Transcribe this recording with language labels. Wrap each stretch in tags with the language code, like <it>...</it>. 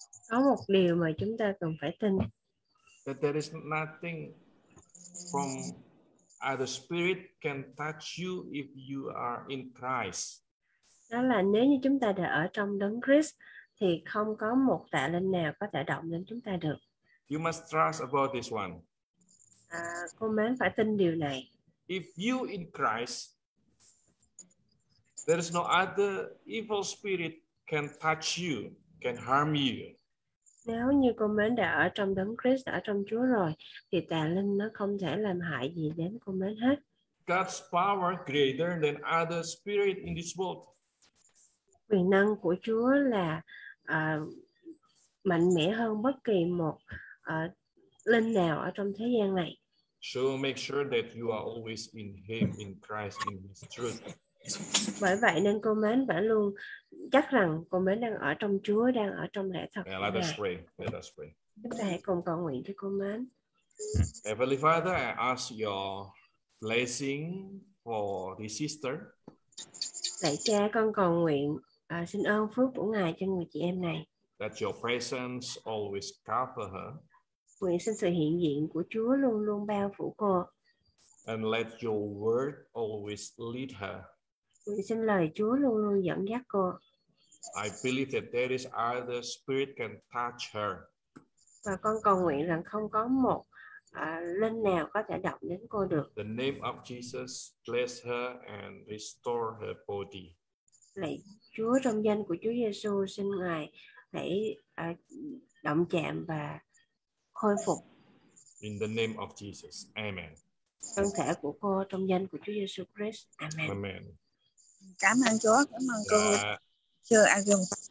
<vi>Có một điều mà chúng ta cần phải tin.</vi> <en>That there is nothing from either spirit can touch you if you are in Christ.</en> <vi>Đó là nếu như chúng ta đã ở trong Đấng Christ thì không có một tà linh nào có thể động đến chúng ta được.</vi> <en>You must trust about this one.</en> <vi>Cô Mến phải tin điều này.</vi> <en>If you in Christ, there is no other evil spirit can touch you, can harm you.</en> <vi>Nếu như cô Mến đã ở trong Đấng Christ, ở trong Chúa rồi, thì tà linh nó không thể làm hại gì đến cô Mến hết.</vi> <en>God's power greater than other spirit in this world.</en> <vi>Quyền năng của Chúa là mạnh mẽ hơn bất kỳ một linh nào ở trong thế gian này.</vi> <en>So make sure that you are always in Him, in Christ, in His truth.</en> <vi>Bởi vậy nên cô Mến phải luôn chắc rằng cô Mến đang ở trong Chúa, đang ở trong lẽ thật.</vi> <en>Yeah, let us pray.</en> <vi>Chúng ta hãy cùng cầu nguyện cho cô Mến.</vi> <en>Heavenly Father, I ask your blessing for this sister.</en> <vi>Lạy Cha, con cầu nguyện xin ơn phước của Ngài cho người chị em này.</vi> <en>That your presence always cover her.</en> <vi>Nguyện xin sự hiện diện của Chúa luôn luôn bao phủ cô.</vi> <en>And let your word always lead her.</en> <vi>Nguyện xin lời Chúa luôn luôn dẫn dắt cô.</vi> <en>I believe that there is other spirit can touch her.</en> <vi>Và con cầu nguyện rằng không có một linh nào có thể động đến cô được.</vi> <en>The name of Jesus bless her and restore her body.</en> <vi>Lạy Chúa, trong danh của Chúa Giêsu xin Ngài hãy động chạm và khôi phục.</vi> <en>In the name of Jesus. Amen.</en> <vi>Thân thể của cô trong danh của Chúa Giêsu Christ.</vi> <en>Amen. Amen.</en> <vi>Cảm ơn Chúa, cảm ơn cô. Chưa ai dùng.</vi>